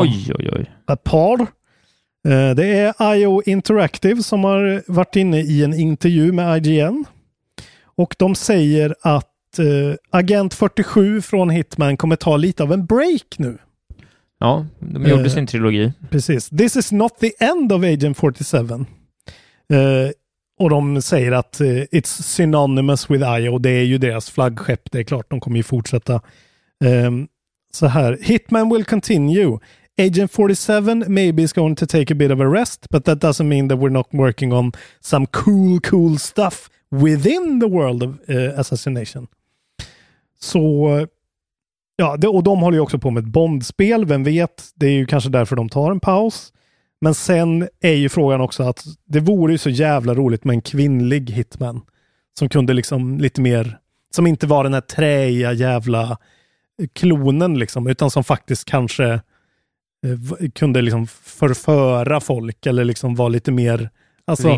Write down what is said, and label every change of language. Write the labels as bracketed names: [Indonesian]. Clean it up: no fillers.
[Swedish] Oj, oj, oj. Par. Det är IO Interactive som har varit inne i en intervju med IGN. Och de säger att Agent 47 från Hitman kommer ta lite av en break nu. Ja, de gjorde sin trilogi. Precis. [English] This is not the end of Agent 47. [Swedish] Och de säger att [English] it's synonymous with IO. [Swedish] Det är ju deras flaggskepp. Det är klart, de kommer ju fortsätta. Så här. [English] Hitman will continue. Agent 47 maybe is going to take a bit of a rest, but that doesn't mean that we're not working on some cool, cool stuff within the world of assassination. [Swedish] Så, ja, och de håller ju också på med ett Bond-spel, vem vet. Det är ju kanske därför de tar en paus. Men sen är ju frågan också att det vore ju så jävla roligt med en kvinnlig hitman som kunde liksom lite mer, som inte var den här träiga jävla klonen liksom, utan som faktiskt kanske kunde liksom förföra folk eller liksom vara lite mer, alltså,